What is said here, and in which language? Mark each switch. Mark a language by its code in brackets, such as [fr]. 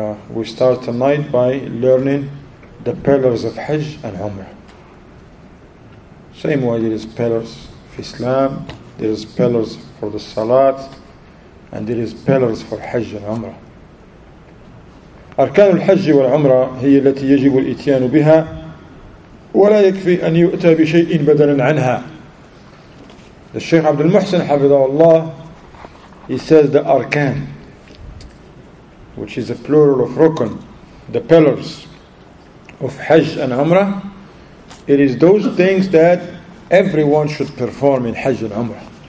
[en] We start tonight by learning the pillars of Hajj and Umrah. Same way there is pillars of Islam, there is pillars for the Salat, and there is pillars for Hajj and Umrah. [ar] أركان الحج والعمرة هي التي يجب الإتيان بها ولا يكفي أن يؤتى بشيء بدلا عنها. [en] The Shaykh Abdul Muhsin حفظه الله, he says the أركان, which is a plural of rukun, the pillars of Hajj and Umrah, it is those things that everyone should perform in Hajj and Umrah.